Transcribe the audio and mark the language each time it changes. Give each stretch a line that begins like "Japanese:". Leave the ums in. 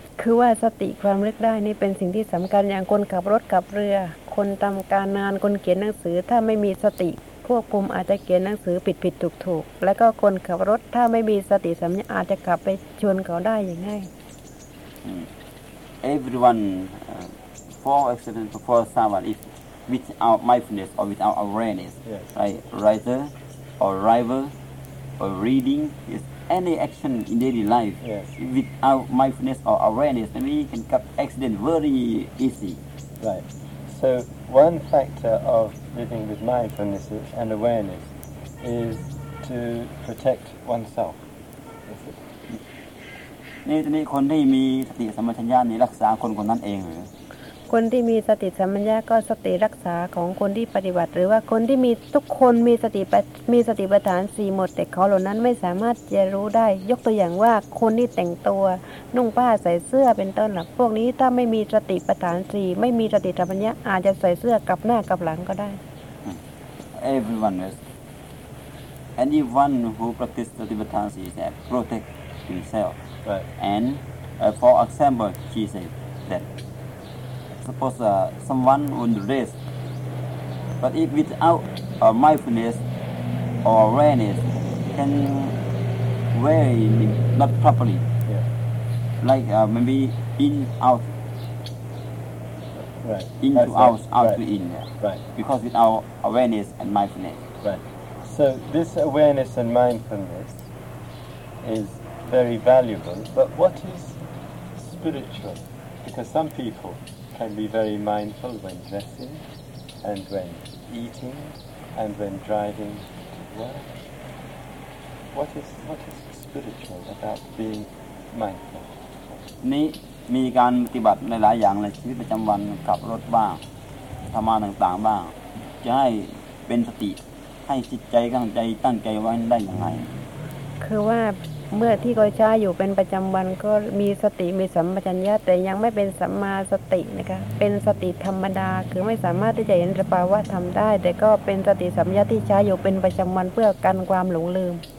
Thai: คือว่าสติความรึกได้นี่เป็นสิ่งที่สำคัญอย่างคนขับรถขับเรือ คนทำการงานคนเขียนหนังสือ ถ้าไม่มีสติควบคุมอาจจะเขียนหนังสือผิดผิดถูกถูกๆแล้วก็คนขับรถถ้าไม่มีสติสัมยาอาจจะขับไปชนเขาได้อย่างง่าย
English: everyone uh, for accident for someone if without mindfulness or without awareness Yes. right writer or rival or reading is any action in daily life Yes. without mindfulness or awareness then we can get accident very easy Right. So one factor of living with mindfulness and awareness is to protect oneself. Is it?
Thai: นี่ทีนี้คนที่มีสติสัมปชัญญะนี่รักษาคนคนนั้นเองหรือ คนที่มีสติสัมปชัญญะก็สติรักษาของคนที่ปฏิบัติ หรือว่าคนที่มีทุกคนมีสติปัฏมีสติปัฏฐานสี่หมด แต่เขาเหล่านั้นไม่สามารถจะรู้ได้ ยกตัวอย่างว่าคนที่แต่งตัวนุ่งผ้าใส่เสื้อเป็นต้นหลักพวกนี้ถ้าไม่มีสติปัฏฐานสี่ไม่มีสติสัมปชัญญะอาจจะใส่เสื้อกลับหน้ากลับหลังก็ได้
English: อ everyone is anyone who practice สติปัฏฐานสี่ protect himself Right. And uh, for example, she said that suppose uh, someone would race, but if without uh, mindfulness or awareness, can wear it not properly, Yeah. like uh, maybe in out Right. in That's to out it. out right. to in, yeah. Right. because without awareness and mindfulness. Right. So this awareness and mindfulness is very valuable, but what is spiritual? Because some people can be very mindful when dressing and when eating and when driving to work. What is what is spiritual about being mindful?
Thai: นี้มีการปฏิบัติหลายๆอย่างในชีวิตประจำวันขับรถบ้างทำงานต่างๆบ้าง จะให้เป็นสติให้จิตใจตั้งใจตั้งใจไว้ได้อย่างไร คือว่าเมื่อที่เขาใช้อยู่เป็นประจำวันก็มีสติมีสัมปชัญญะแต่ยังไม่เป็นสัมมาสตินะคะเป็นสติธรรมดาคือไม่สามารถที่จะเห็นสภาวะทำได้ แต่ก็เป็นสติสัมปชัญญะที่ใช้อยู่เป็นประจำวันเพื่อกันความหลงลืม